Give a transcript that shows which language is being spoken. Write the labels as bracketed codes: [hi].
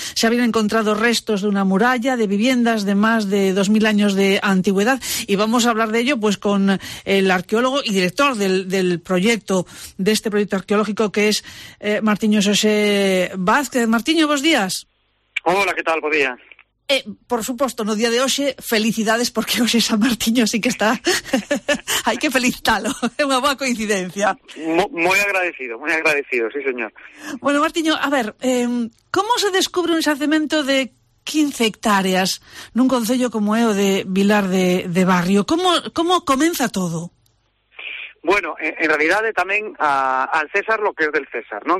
[es] Se habían encontrado restos de una muralla, de viviendas de más de 2.000 años de antigüedad, y vamos a hablar de ello pues con el arqueólogo y director del proyecto, de este proyecto arqueológico, que es Martiño Xosé Vázquez. Martiño, buenos días. Hola, ¿qué tal? Buen día. [gl] Por supuesto, no día de hoxe, felicidades, porque hoxe San Martiño sí que está. [es] Hay que felicitarlo, es una buena coincidencia. Muy agradecido, sí, señor. [gl] Bueno, Martiño, a ver, [es] ¿cómo se descubre [gl] un xacemento de 15 hectáreas nun concello como é o de Vilar de Barrio? [es] ¿Cómo comienza todo? Bueno, en realidad también al César lo que es del César, ¿no?